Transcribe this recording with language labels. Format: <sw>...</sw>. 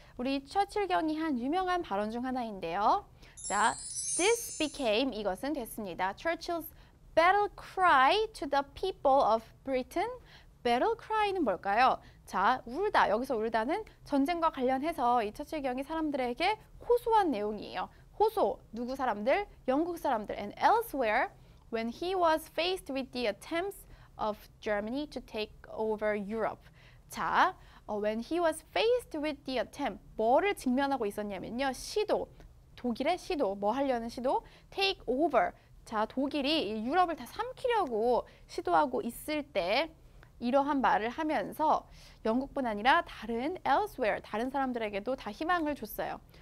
<ko>우리 처칠경이 한 유명한 발언 중 하나인데요. 자,</ko> <en>this became,</en> <ko>이것은 됐습니다.</ko> <en>Churchill's battle cry to the people of Britain.</en> <ko>Battle cry는 뭘까요? 자, 울다. 여기서 울다는 전쟁과 관련해서 이 처칠경이 사람들에게 호소한 내용이에요. 호소, 누구 사람들? 영국 사람들.</ko> <en>And elsewhere, when he was faced with the attempts of Germany to take over Europe. 자, when he was faced with the attempt,</en> <ko>뭐를 직면하고 있었냐면요. 시도, 독일의 시도, 뭐 하려는 시도?</ko> <en>Take over.</en> <ko>자, 독일이 유럽을 다 삼키려고 시도하고 있을 때 이러한 말을 하면서 영국뿐 아니라 다른 elsewhere, 다른 사람들에게도 다 희망을 줬어요.</ko>